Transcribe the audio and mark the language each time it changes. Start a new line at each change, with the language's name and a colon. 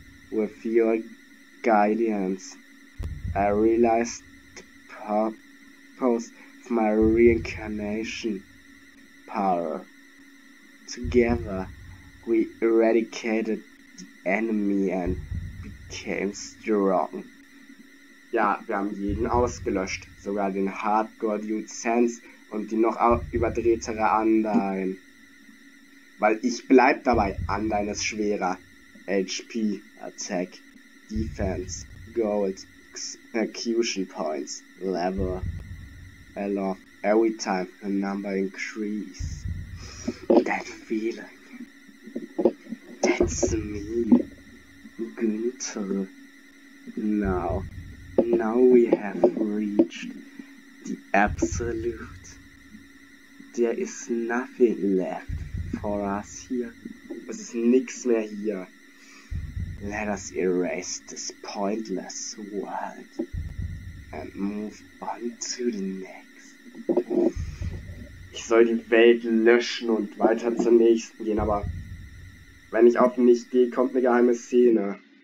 English: With your guidance, I realized the purpose of my reincarnation power. Together, we eradicated the enemy and became strong.
German: Ja, wir haben jeden ausgelöscht, sogar den Hardcore Dude Sense und die noch überdrehtere Undyne. Weil ich bleib dabei, Undyne ist schwerer. HP, Attack, Defense, Gold, Execution Points.
English: level aloft every time the number increase. That feeling, that's me, Günther. Now we have reached the absolute. There is nothing left for us here.
German: Es ist nichts mehr hier.
English: Let us erase this pointless world and move on to the next.
German: Ich soll die Welt löschen und weiter zur nächsten gehen, aber wenn ich auf mich gehe, kommt eine geheime Szene.